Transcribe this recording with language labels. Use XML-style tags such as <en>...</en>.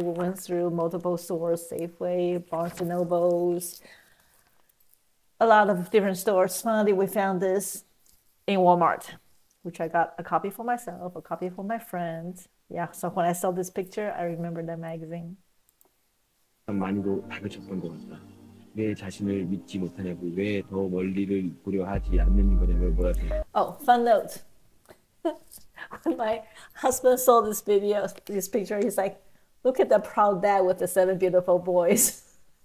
<en>We went through multiple stores, Safeway, Barnes & Noble's, a lot of different stores. Finally, we found this in Walmart, which I got a copy for myself, a copy for my friend. Yeah, so when I saw this picture, I remember that magazine.</en> <ko>많이도 다그쳤던 것 같다. 내 자신을 믿지 못하냐고 왜 더 멀리를 고려하지 않는 거냐고 뭐라지.</ko> <en>Oh, fun note. When my husband saw this video, this picture, he's like, "Look at the proud dad with the seven beautiful boys."</en>